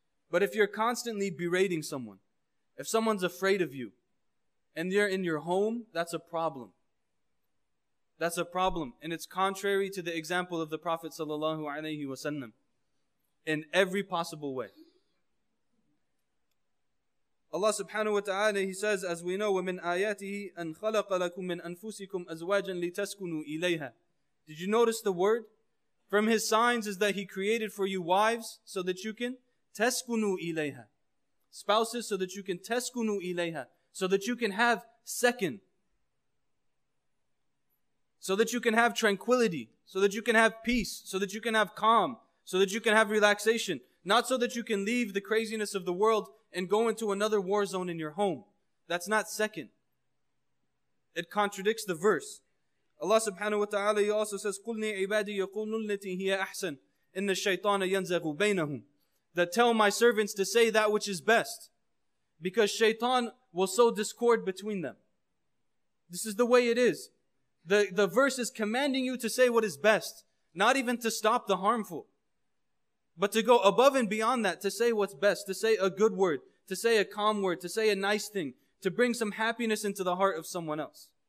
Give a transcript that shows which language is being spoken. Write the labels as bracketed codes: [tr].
[en] But if you're constantly berating someone, if someone's afraid of you, and they're in your home, that's a problem. That's a problem. And it's contrary to the example of the Prophet sallallahu alaihi wasallam in every possible way. Allah subhanahu wa ta'ala, He says, as we know, [ar] وَمِنْ آيَاتِهِ أَنْ خَلَقَ لَكُمْ مِنْ أَنفُسِكُمْ أَزْوَاجًا لِتَسْكُنُوا إِلَيْهَا. [en] Did you notice the word? From His signs is that He created for you wives so that you can teskunu ilayha. Spouses so that you can teskunu ilayha. So that you can have second. So that you can have tranquility. So that you can have peace. So that you can have calm. So that you can have relaxation. Not so that you can leave the craziness of the world and go into another war zone in your home. That's not second. It contradicts the verse. Allah subhanahu wa ta'ala, He also says, [ar] قُلْنِي عِبَادِي يَقُولُ لِلَّتِي هِيَ أَحْسَنُ إِنَّ الشَّيْطَانَ يَنْزَغُ بَيْنَهُمْ. [en] That tell my servants to say that which is best, because shaitan will sow discord between them. This is the way it is. The verse is commanding you to say what is best, not even to stop the harmful, but to go above and beyond that, to say what's best, to say a good word, to say a calm word, to say a nice thing, to bring some happiness into the heart of someone else.